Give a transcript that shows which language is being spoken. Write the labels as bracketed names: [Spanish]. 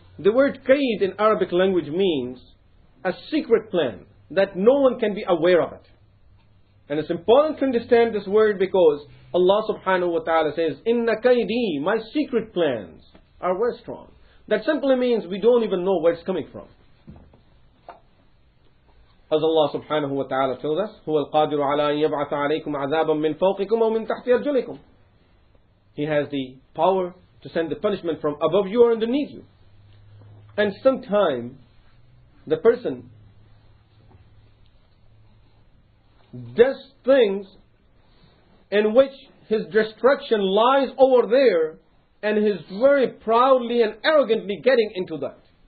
[English] The word كَيْد in Arabic language means a secret plan that no one can be aware of it. And it's important to understand this word because Allah subhanahu wa ta'ala says, [Arabic] إِنَّ كَيْدِي, [English] my secret plans are very strong. That simply means we don't even know where it's coming from. As Allah subhanahu wa ta'ala tells us, [Arabic] هُوَ الْقَادِرُ عَلَىٰ أَن يَبْعَثَ عَلَيْكُمْ عَذَابًا مِّن فَوْقِكُمْ أَوْ مِّن تَحْتِ أَرْجُلِكُمْ. [English] He has the power to send the punishment from above you or underneath you. And sometime, the person does things in which his destruction lies over there and he's very proudly and arrogantly getting into that.